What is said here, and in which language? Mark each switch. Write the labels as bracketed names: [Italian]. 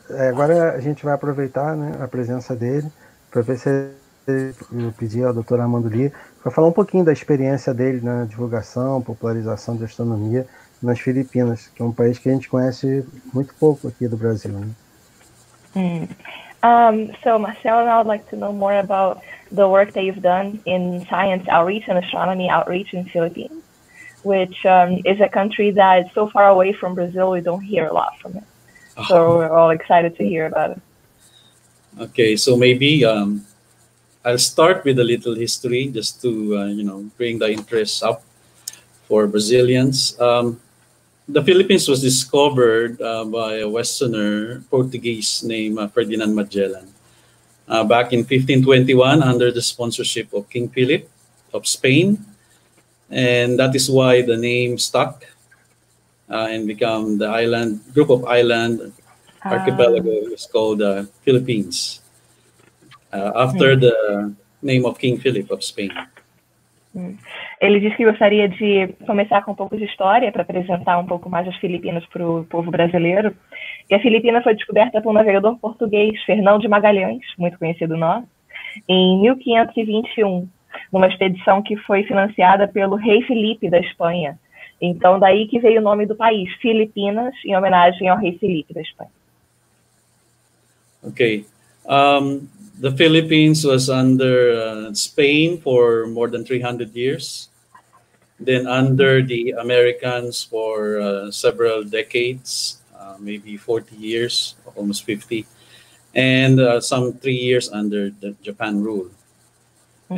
[Portuguese] Agora a gente vai aproveitar, né, a presença dele para ver se ele pedir ao doutor Armando Lee para falar um pouquinho da experiência dele na divulgação, popularização de astronomia nas Filipinas, que é um país que a gente conhece muito pouco aqui do Brasil. Né? [English] So, Marcelo, I would like to know more about the work that you've done in science outreach and astronomy outreach in Philippines, which is a country that is so far away from Brazil, we don't hear a lot from it. So we're all excited to hear about it. Okay, so maybe I'll start with a little history just to bring the interest up for Brazilians. The Philippines was discovered by a Westerner, Portuguese, named Ferdinand Magellan back in 1521 under the sponsorship of King Philip of Spain. And that is why the name stuck and become the island, group of island archipelago is called the Philippines after the name of King Philip of Spain. [Portuguese] Ele disse que gostaria de começar com um pouco de história para apresentar um pouco mais as Filipinas para o povo brasileiro. E a Filipina foi descoberta por um navegador português, Fernão de Magalhães, muito conhecido nós, em 1521, numa expedição que foi financiada pelo rei Felipe da Espanha. Então, daí que veio o nome do país, Filipinas, em homenagem ao rei Felipe da Espanha. Ok. [English] The Philippines was under Spain for more than 300 years, then under the Americans for several decades, maybe 40 years, almost 50, and some 3 years under the Japan rule. Mm-hmm.